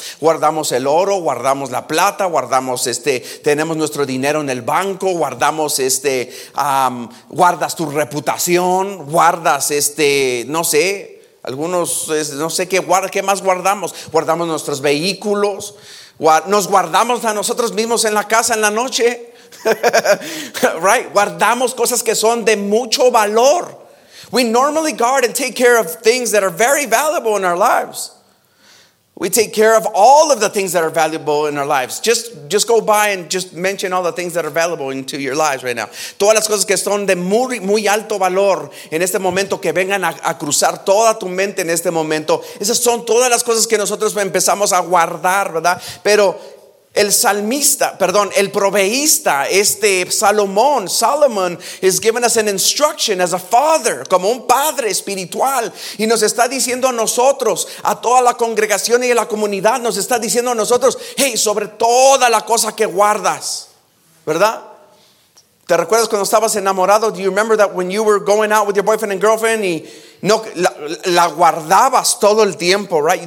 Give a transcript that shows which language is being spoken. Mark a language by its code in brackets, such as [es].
[es] Guardamos el oro, guardamos la plata, guardamos tenemos nuestro dinero en el banco, guardamos guardas tu reputación, guardas qué más guardamos. Guardamos nuestros vehículos, nos guardamos a nosotros mismos en la casa en la noche. Right, guardamos cosas que son de mucho valor. [en] We normally guard and take care of things that are very valuable in our lives. We take care of all of the things that are valuable in our lives. Just go by and just mention all the things that are valuable into your lives right now. [es] Todas las cosas que son de muy, muy alto valor en este momento, que vengan a cruzar toda tu mente en este momento. Esas son todas las cosas que nosotros empezamos a guardar, ¿verdad? Pero el proveísta, Salomón [en] is giving us an instruction as a father, [es] como un padre espiritual, y nos está diciendo a nosotros, a toda la congregación y a la comunidad, nos está diciendo a nosotros: hey, sobre toda la cosa que guardas, ¿verdad? ¿Te recuerdas cuando estabas enamorado? [en] Do you remember that when you were going out with your boyfriend and girlfriend, [es] y no, la guardabas todo el tiempo, [en] right?